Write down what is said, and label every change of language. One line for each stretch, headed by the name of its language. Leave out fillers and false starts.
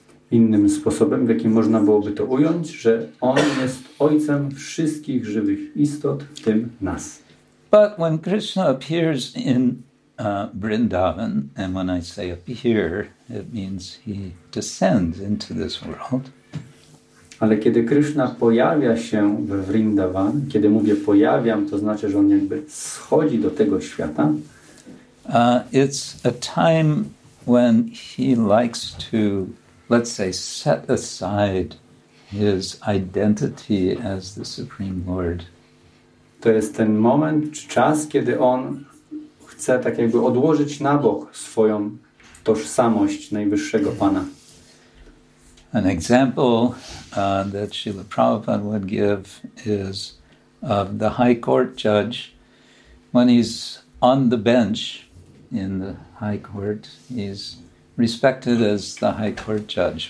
Polish: Innym sposobem, w jakim można byłoby to ująć, że on jest ojcem wszystkich żywych istot, w tym nas.
English: But when Krishna appears in Vrindavan, and when I say appear, it means he descends into this world.
Polish: Ale kiedy Krishna pojawia się w Vrindavan, kiedy mówię pojawiam, to znaczy, że on jakby schodzi do tego świata.
English: It's a time when he likes to, let's say, set aside his identity as the Supreme Lord.
Polish: To jest ten moment, czas, kiedy on chce tak jakby odłożyć na bok swoją tożsamość Najwyższego Pana.
English: An example that Srila Prabhupada would give is of the high court judge. When he's on the bench in the high court, he's respected as the high court judge.